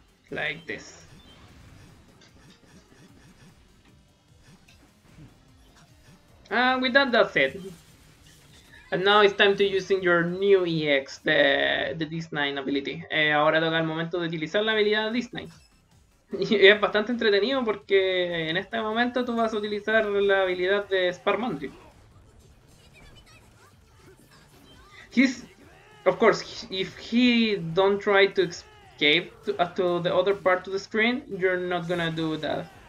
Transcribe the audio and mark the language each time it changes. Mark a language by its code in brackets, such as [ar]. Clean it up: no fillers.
[en] Like this. With that, that's it. And now it's time to using your new EX, the Disnine ability. [es] Ahora toca el momento de utilizar la habilidad Disnine. Y es bastante entretenido porque en este momento tú vas a utilizar la habilidad de Sparmandrel. [en] He's, of course, if he don't try to escape to the other part of the screen, you're not gonna do that.